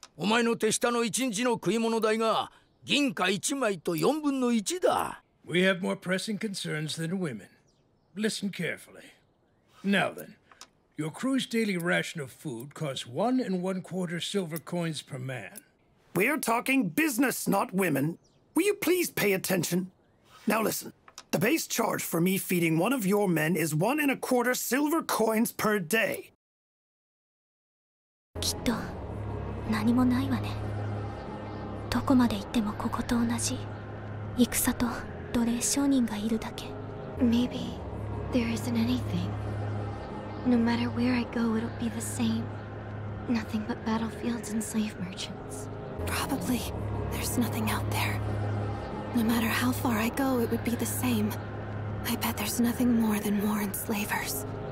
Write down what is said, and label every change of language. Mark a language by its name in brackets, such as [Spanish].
[Japanese] 女より真面目な話じゃ。ちゃんと聞かんか。よいか、お前の手下の一日の食い物代が 銀貨1枚と1/4だ。 [English] We have more pressing concerns than women. Listen carefully. Now then, your crew's daily ration of food costs 1 1/4 silver coins per man. We're talking business, not women. Will you please pay attention? Now listen, the base charge for me feeding one of your men is 1 1/4 silver coins per day. [Japanese] きっと何もないわね。どこまで行ってもここと同じ戦と奴隷商人がいるだけ。 [English] Maybe there isn't anything. No matter where I go, it'll be the same. Nothing but battlefields and slave merchants. Probably there's nothing out there. No matter how far I go, it would be the same. I bet there's nothing more than more enslavers.